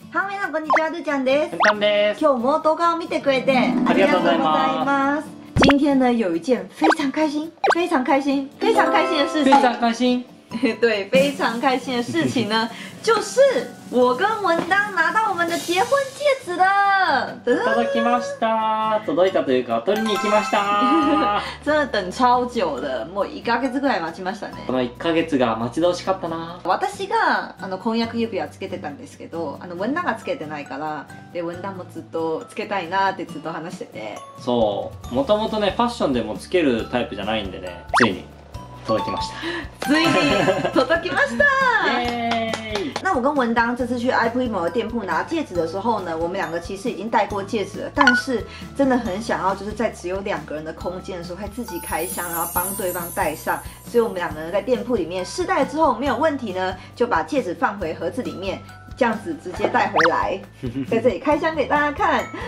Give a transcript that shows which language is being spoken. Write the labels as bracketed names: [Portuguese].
[Japanese] カメラこんにちは、るちゃんです。るちゃんです。今日も動画を見てくれてありがとうございます。 [Chinese] 今天呢有一件非常开心非常开心非常开心的事情非常开心对，非常开心的事情呢就是我跟文当拿到我们的结婚戒指了。 [Japanese] 届きました。届いたというか取りに行きました [Chinese] 真的等超久的， [Japanese] もう1ヶ月ぐらい待ちましたね。この1ヶ月が待ち遠しかったな。私があの婚約指輪つけてたんですけど、あの文当がつけてないから、で文当もずっとつけたいなってずっと話してて。そう、もともとねファッションでもつけるタイプじゃないんでね、ついに届きました。ついに届きました。 [Chinese] 耶！那我跟文当这次去 iPrimo 的店铺拿戒指的时候呢，我们两个其实已经戴过戒指了，但是真的很想要，就是在只有两个人的空间的时候，会自己开箱，然后帮对方戴上。所以我们两个人在店铺里面试戴之后没有问题呢，就把戒指放回盒子里面，这样子直接带回来，在这里开箱给大家看。